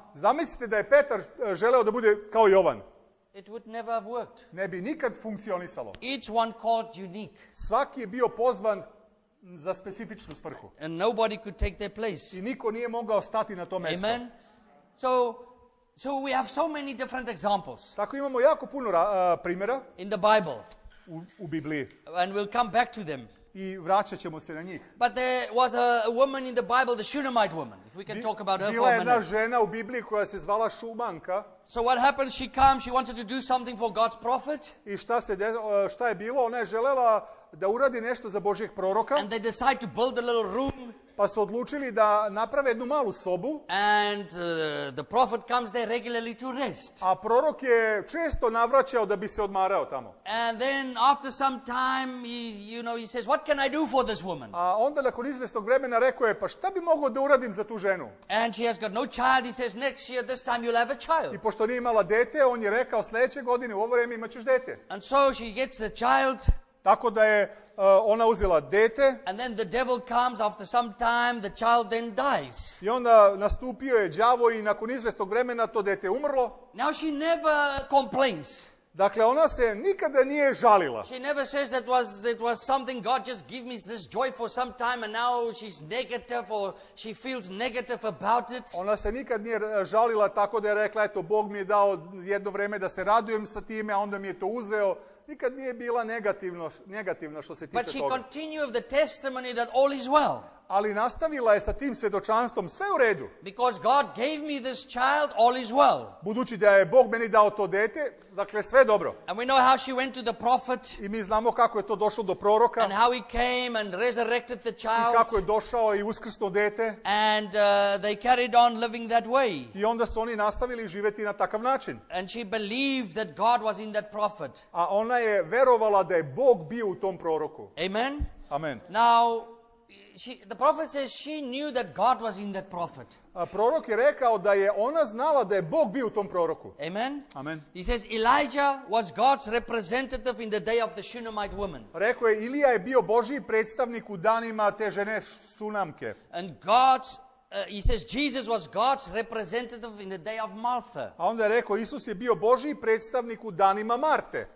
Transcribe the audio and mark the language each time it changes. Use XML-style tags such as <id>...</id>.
<sr>Zamislite da je Petar želeo da bude kao Jovan.</sr> <en>It would never have worked.</en> <sr>Ne bi nikad funkcionisalo.</sr> <en>Each one called unique.</en> <sr>Svaki je bio pozvan za specifičnu svrhu.</sr> <en>And nobody could take their place.</en> <sr>I niko nije mogao stati na to mjesto.</sr> <en>Amen. So we have so many different examples.</en> <sr>Tako imamo jako puno primjera.</sr> <en>In the Bible.</en> <sr>U Bibliji.</sr> <en>And we'll come back to them.</en> <sr>i vraćat ćemo se na njih.</sr> <en>But there was a woman in the Bible, the Shunammite woman. If we can talk about her for a minute.</en> <sr>Bila je jedna žena u Bibliji koja se zvala Šumanka.</sr> <en>So what happened? She came, she wanted to do something for God's prophet.</en> <sr>I šta je bilo? Ona je želela da uradi nešto za Božijeg proroka.</sr> <en>And they decided to build a little room.</en> <sr>Pa su odlučili da naprave jednu malu sobu.</sr> <en>And the prophet comes there regularly to rest.</en> <sr>A prorok je često navraćao da bi se odmarao tamo.</sr> <en>And then after some time he says, what can I do for this woman?</en> <sr>A onda nakon izvesnog vremena rekao je, pa šta bi mogao da uradim za tu ženu?</sr> <en>And she has got no child, he says, next year this time you'll have a child.</en> <sr>I pošto nije imala dete, on je rekao, sljedeće godine u ovo vrijeme imaćeš dete.</sr> <en>And so she gets the child.</en> <sr>Tako da je ona uzela dete.</sr> <en>And then the devil comes after some time, the child then dies.</en> <sr>I onda nastupio je đavo i nakon izvestog vremena to dete umrlo.</sr> <en>Now she never complains.</en> <sr>Dakle, ona se nikada nije žalila.</sr> <en>She never says that it was something God just gave me this joy for some time and now she's negative or she feels negative about it.</en> <sr>Ona se nikad nije žalila tako da je rekla, eto, Bog mi je dao jedno vrijeme da se radujem sa time, a onda mi je to uzeo. Nikad nije bila negativna što se tiče toga.</sr> <en>But she continued the testimony that all is well.</en> <sr>Ali nastavila je sa tim svjedočanstvom, sve u redu.</sr> <en>Because God gave me this child, all is well.</en> <sr>Budući da je Bog meni dao to dete, dakle sve dobro.</sr> <en>And we know how she went to the prophet.</en> <sr>I mi znamo kako je to došlo do proroka.</sr> <en>And how he came and resurrected the child.</en> <sr>I kako je došao i uskrsnuo dete.</sr> <en>And they carried on living that way.</en> <sr>I onda su oni nastavili živjeti na takav način.</sr> <en>And she believed that God was in that prophet.</en> <sr>A ona je vjerovala da je Bog bio u tom proroku.</sr> <en>Amen.</en> <sr>Amen.</sr> <en>Now the prophet says she knew that God was in that prophet.</en> <sr>A prorok je rekao da je ona znala da je Bog bio u tom proroku.</sr> <en>Amen.</en> <sr>Amen.</sr> <en>He says Elijah was God's representative in the day of the Shunammite woman.</en> <sr>Rekao je Ilija je bio Božji predstavnik u danima te žene Sunamke.</sr> <en>And God's he says Jesus was God's representative in the day of Martha.</en> <sr>A onda je rekao Isus je bio Božji predstavnik u danima Marte.</sr>